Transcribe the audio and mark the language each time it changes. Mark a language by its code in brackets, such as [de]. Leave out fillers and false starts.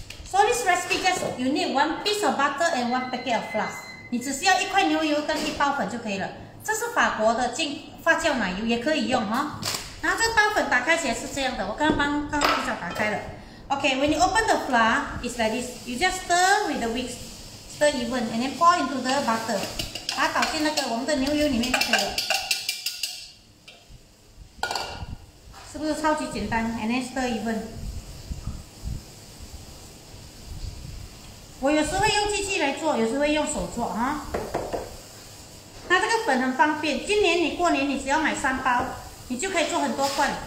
[en] So this recipe just you need 1 piece of butter and 1 packet of flour. [zh] 你只需要一块牛油跟一包粉就可以了。这是法国的进发酵奶油，也可以用哈。然后这个包粉打开起来是这样的，我刚刚帮刚刚打开了。 [en] Okay, when you open the flour, it's like this. You just stir with the whisk, stir even, and then pour into the butter. [zh] 把它倒进那个我们的牛油里面就可以了。是不是超级简单 ？ [en] And then stir even。 [zh] 我有时会用机器来做，有时会用手做啊。那这个粉很方便，今年你过年你只要买3包，你就可以做很多罐。